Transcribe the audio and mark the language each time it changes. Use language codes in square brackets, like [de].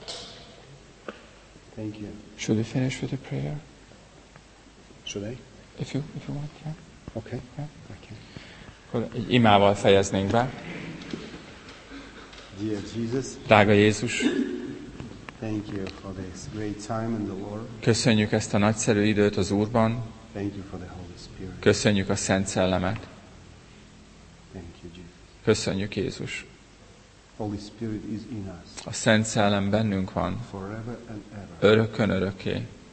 [en] Yeah. Thank you. Should we finish with a prayer? Should I? If you want, yeah. Okay. Yeah. Okay. [hu] Akkor egy imával fejeznénk be. [en] Dear Jesus. [hu] Drága Jézus. [en] Thank you for this great time in the Lord. [hu] Köszönjük ezt a nagyszerű időt az Úrban. [en] Thank you for the Holy Spirit. [hu] Köszönjük a Szent Szellemet. [en] Thank you, Jesus. [hu] Köszönjük Jézus. [en] Holy Spirit is in us. [hu] A Szent Szellem bennünk van. [en] Forever and ever. [hu] Örökön örökké.